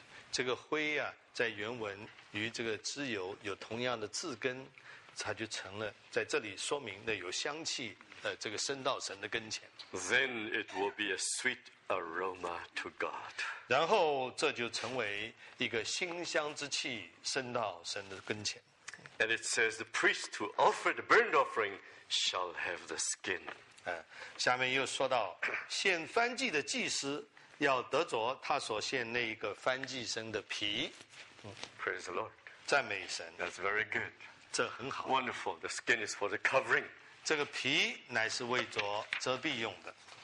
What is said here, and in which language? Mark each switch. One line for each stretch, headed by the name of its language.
Chinese: 这个灰啊，在原文与这个脂油有同样的字根，它就成了在这里说明的有香气，这个升到神的跟前。
English: Then it will be a sweet aroma to God.
Chinese: 然后这就成为一个馨香之气升到神的跟前。
English: And it says the priest who offered the burnt offering shall have the skin.
Chinese: 下面又说到献燔祭的祭司。要得着他所献那一个燔祭牲的皮
English: ，Praise the Lord，
Chinese: 赞美神。
English: That's very good，
Chinese: 这很好。
English: Wonderful， the skin is for the covering，
Chinese: 这个皮乃是为着遮蔽用的。